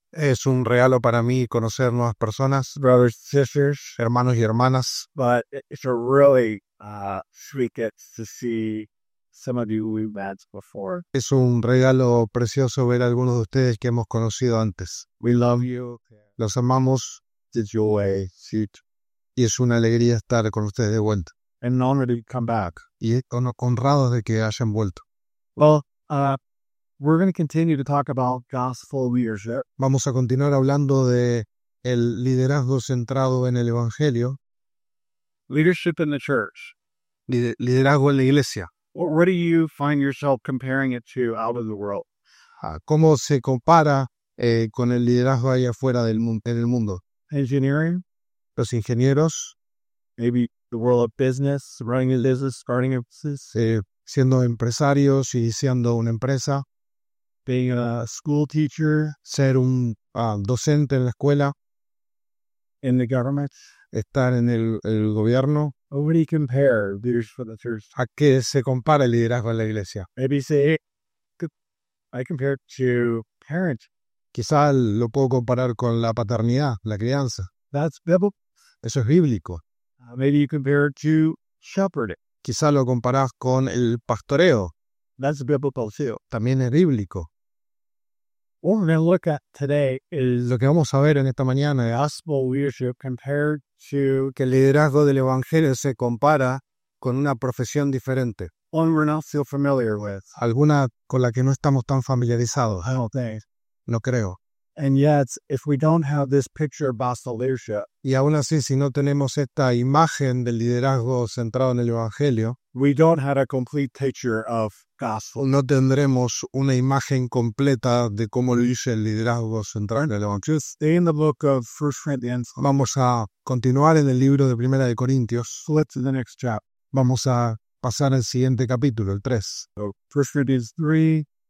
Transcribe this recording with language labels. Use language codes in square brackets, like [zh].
[es] Es un regalo para mí conocer nuevas personas. [en] Brothers, sisters. [es] Hermanos y hermanas. [en] But it's a really sweet gift to see some of you we've met before. [es] Es un regalo precioso ver a algunos de ustedes que hemos conocido antes. [en] We love you. [es] Los amamos. [en] It's a joy. [es] Y es una alegría estar con ustedes de vuelta. [en] And an honor to come back. [es] Y honrados de que hayan vuelto. [en] Well, we're going to continue to talk about gospel leadership. [es] Vamos a continuar hablando de el liderazgo centrado en el evangelio. [en] Leadership in the church. [es] Liderazgo en la iglesia. [en] What do you find yourself comparing it to out of the world? [es] ¿Cómo se compara con el liderazgo allá afuera del en el mundo? [en] Engineering. [es] Los ingenieros. [en] Maybe the world of business, running a business, starting a business. [es] Siendo empresarios y siendo una empresa. [en] Being a school teacher. [es] Ser un docente en la escuela. [en] In the government. [es] Estar en el gobierno. [en] What do you compare leadership for the church? [es] ¿A qué se compara el liderazgo en la iglesia? [en] Maybe say, I compare it to parent. [es] Quizá lo puedo comparar con la paternidad, la crianza. [en] That's biblical. [es] Eso es bíblico. [en] Maybe you compare it to shepherding. [es] Quizá lo comparas con el pastoreo. [en] That's biblical too. [es] También es bíblico. [en] What we're going to look at today is [es] lo que vamos a ver en esta mañana es [en] gospel leadership compared to [es] que el liderazgo del evangelio se compara con una profesión diferente. [en] One we're not so familiar with. [es] Alguna con la que no estamos tan familiarizados. [en] I don't think. [es] No creo. [en] And yet, if we don't have this picture of gospel leadership, [es] y aún así, si no tenemos esta imagen del liderazgo centrado en el evangelio, [en] we don't have a complete picture of gospel. [es] No tendremos una imagen completa de cómo lo dice el liderazgo centrado en el evangelio. [en] Stay in the book of 1 Corinthians. [es] Vamos a continuar en el libro de Primera de Corintios. [en] Let's to the next chapter. [es] Vamos a pasar al siguiente capítulo, el 3. [en] So, 1 Corinthians 3,